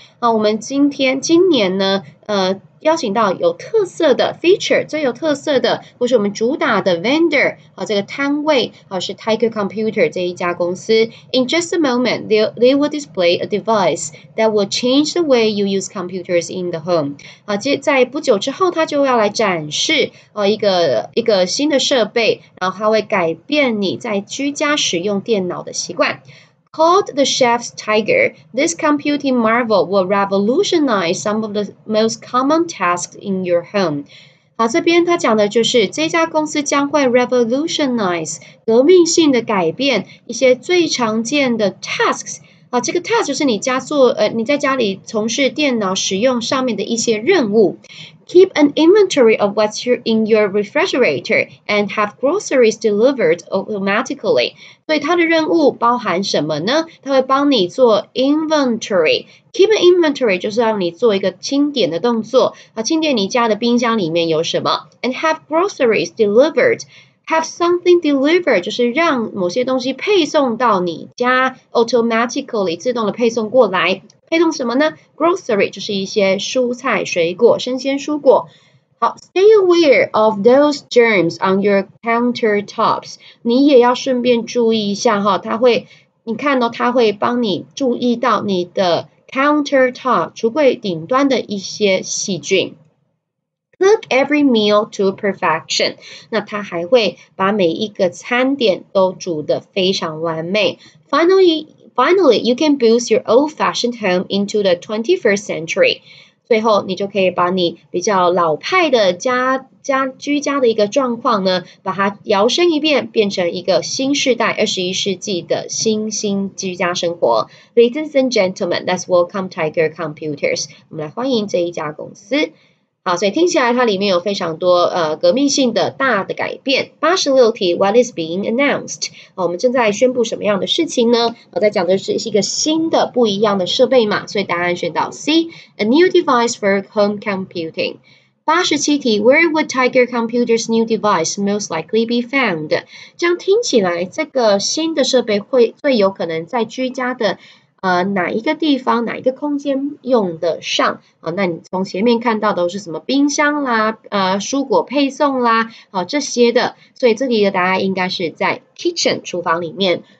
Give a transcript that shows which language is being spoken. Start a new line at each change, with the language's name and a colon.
Chinese: 好，我们今年呢，邀请到有特色的 feature 最有特色的，或是我们主打的 vendor 好，这个摊位好，是 Tiger Computer 这一家公司。
English: In just a moment, they will display a device that will change the way you use computers in the home.
Chinese: 好，在不久之后，他就要来展示一个新的设备，然后它会改变你在居家使用电脑的习惯。
English: Called the Chef's Tiger, this computing marvel will revolutionize some of the most common tasks in your home.
Chinese: 好，这边他讲的就是这家公司将会 revolutionize 革命性的改变一些最常见的 tasks。好，这个 task 就是你在家里从事电脑使用上面的一些任务。
English: Keep an inventory of what's in your refrigerator and have groceries delivered automatically.
Chinese: 所以它的任务包含什么呢？它会帮你做 inventory.
English: Keep an inventory
Chinese: 就是让你做一个清点的动作，清点你家的冰箱里面有什么。
English: And have groceries delivered. Have something delivered
Chinese: 就是让某些东西配送到你家 automatically 自动的配送过来。配送什么呢 ？Grocery 就是一些蔬菜、水果、生鲜蔬果。
English: 好 ，Stay aware of those germs on your countertops。
Chinese: 你也要顺便注意一下哈，它会，你看到、哦、它会帮你注意到你的 countertop 橱柜顶端的一些细菌。
English: Cook every meal to perfection.
Chinese: 那他还会把每一个餐点都煮得非常完美。
English: Finally, you can boost your old-fashioned home into the 21st century.
Chinese: 最后，你就可以把你比较老派的居家的一个状况呢，把它摇身一变，变成一个新世代21世纪的新兴居家生活。
English: Ladies and gentlemen, let's welcome Tiger Computers.
Chinese: 我们来欢迎这一家公司。好，所以听起来它里面有非常多革命性的大的改变。
English: 86题 ,What is being announced?
Chinese: 好，我们正在宣布什么样的事情呢？我在讲的是一个新的不一样的设备嘛，所以答案选到 C,
English: A new device for home computing. 87题 ,Where would Tiger Computer's new device most likely be found?
Chinese: 这样听起来这个新的设备会最有可能在居家的哪一个地方哪一个空间用得上啊？那你从前面看到都是什么冰箱啦蔬果配送啦这些的，所以这里的答案应该是在 kitchen 厨房里面。